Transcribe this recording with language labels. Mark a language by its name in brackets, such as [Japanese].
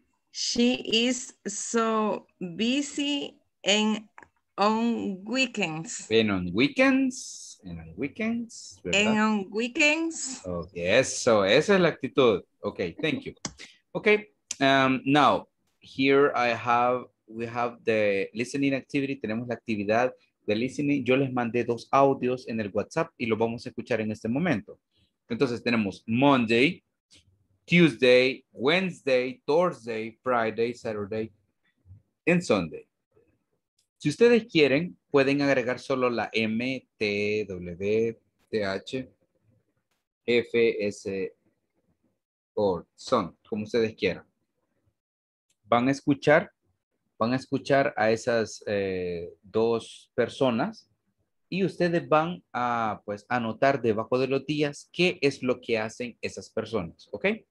[English] She is so busy and on weekends. And on weekends? And on weekends? And on weekends? Okay, so [Spanish] esa es la actitud. [English] Okay, thank you. Okay, now, here we have the listening activity. [Spanish] Tenemos la actividad de listening. Yo les mandé dos audios en el WhatsApp y lo vamos a escuchar en este momento. Entonces tenemos Monday, Tuesday, Wednesday, Thursday, Friday, Saturday, and Sunday. Si ustedes quieren, pueden agregar solo la M, T, W, T, H, F, S, o son, como ustedes quieran. Van a escuchar a esas dos personas y ustedes van a pues anotar debajo de los días qué es lo que hacen esas personas, ¿ok?